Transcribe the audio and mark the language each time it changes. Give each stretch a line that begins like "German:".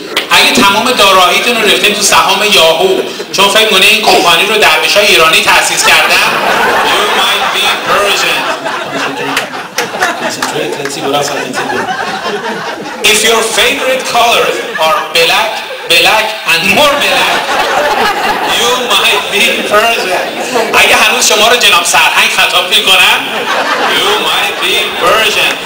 Persian: اگه تمام داراییتون رو ریختین تو سهام یاهو چون فکر کنه این کمپانی رو درویش های ایرانی تأسیس کردن
English: You might be Persian. If your favorite colors are black and more black You might be Persian.
Persian: اگه هنوز شما رو جناب سرهنگ خطاب می کنن
English: You might be Persian.